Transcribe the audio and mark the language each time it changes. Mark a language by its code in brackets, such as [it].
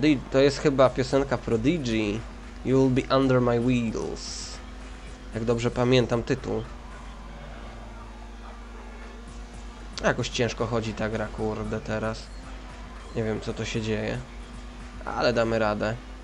[pl] To jest chyba piosenka Prodigy. [en] You'll be under my wheels. [pl] Jak dobrze pamiętam tytuł. Jakoś ciężko chodzi ta gra, kurde, teraz. Nie wiem, co to się dzieje. Ale damy radę.